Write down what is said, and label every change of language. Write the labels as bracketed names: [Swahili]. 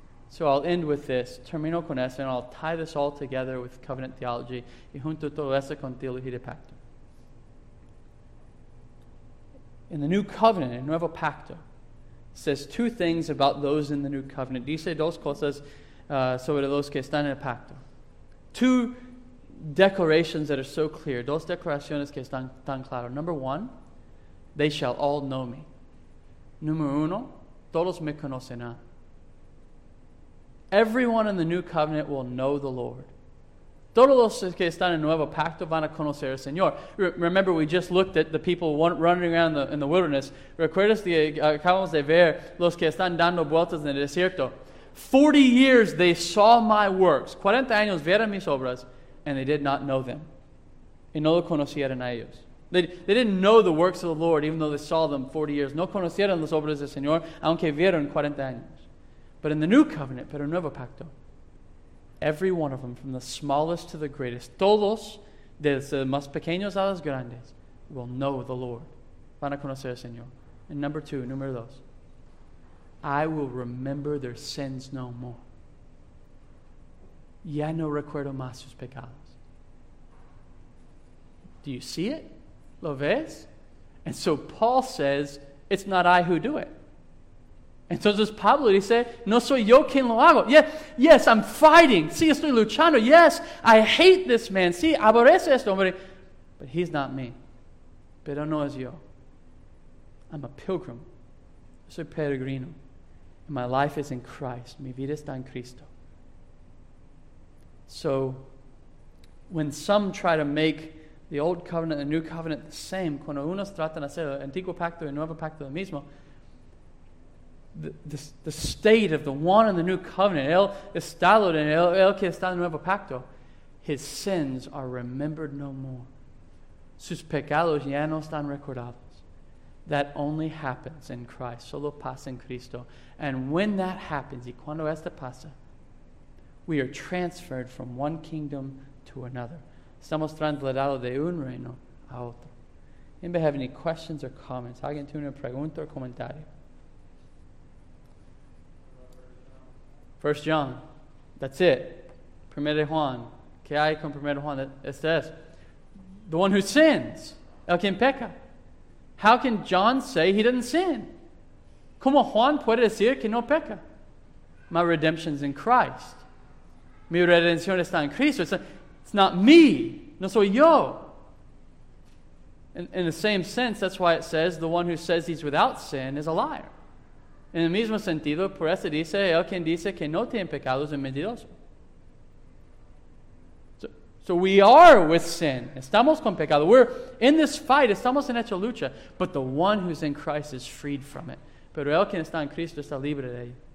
[English] So I'll end with this. [Spanish] Termino con eso, [English] and I'll tie this all together with covenant theology [Spanish] y junto todo eso con teología de pacto. [English] In the new covenant, [Spanish] el nuevo pacto, [English] says two things about those in the new covenant. [Spanish] Dice dos cosas sobre los que están en el pacto. [English] Two declarations that are so clear. [Spanish] Dos declaraciones que están tan claras. [English] Number one, they shall all know me. [Spanish] Número uno, todos me conocerán. [English] Everyone in the new covenant will know the Lord. [Spanish] Todos los que están en nuevo pacto van a conocer al Señor. [English] Remember, we just looked at the people running around in the wilderness. [Spanish] Recuerdas que acabamos de ver los que están dando vueltas en el desierto. [English] 40 years they saw my works. [Spanish] 40 años vieron mis obras, [English] and they did not know them. [Spanish] Y no lo conocieron a ellos. [English] They didn't know the works of the Lord, even though they saw them 40 years. [Spanish] No conocieron las obras del Señor, aunque vieron 40 años. [English] But in the new covenant, [Spanish] pero en nuevo pacto, [English] every one of them, from the smallest to the greatest, [Spanish] todos, desde más pequeños a los grandes, [English] will know the Lord. [Spanish] Van a conocer al Señor. [English] And number two, [Spanish] número dos, [English] I will remember their sins no more. [Spanish] Ya no recuerdo más sus pecados. [English] Do you see it? [Spanish] ¿Lo ves? [English] And so Paul says, it's not I who do it. [Spanish] Entonces Pablo dice, no soy yo quien lo hago. [English] Yeah, yes, I'm fighting. [Spanish] Sí, estoy luchando. [English] Yes, I hate this man. [Spanish] Sí, aborrece este hombre. [English] But he's not me. [Spanish] Pero no es yo. [English] I'm a pilgrim. [Spanish] Soy peregrino. [English] My life is in Christ. [Spanish] Mi vida está en Cristo. [English] So, when some try to make the old covenant and the new covenant the same, [Spanish] cuando unos tratan de hacer el antiguo pacto y el nuevo pacto lo mismo, [English] the state of the one in the new covenant, [Spanish] el estado de el que está en el nuevo pacto, [English] his sins are remembered no more. [Spanish] Sus pecados ya no están recordados. [English] That only happens in Christ. [Spanish] Solo pasa en Cristo. [English] And when that happens, [Spanish] y cuando esto pasa, [English] we are transferred from one kingdom to another. [Spanish] Estamos trasladados de un reino a otro. [English] Anybody have any questions or comments? [Spanish] ¿Alguien tiene una pregunta o comentario? [English] 1 John. That's it. 1 Juan. [Spanish] ¿Qué hay con 1 Juan? Este es. [English] The one who sins. [Spanish] El quien peca. [English] How can John say he didn't sin? [Spanish] ¿Cómo Juan puede decir que no peca? [English] My redemption's in Christ. [Spanish] Mi redención está en Cristo. [English] It's not me. [Spanish] No soy yo. [English] In the same sense, that's why it says the one who says he's without sin is a liar. [Spanish] En el mismo sentido, por eso dice, el quien dice que no tiene pecados es mentiroso. [English] So we are with sin. [Spanish] Estamos con pecado. [English] We're in this fight. [Spanish] Estamos en esta lucha. [English] But the one who's in Christ is freed from it. [Spanish] Pero el que está en Cristo está libre de ahí.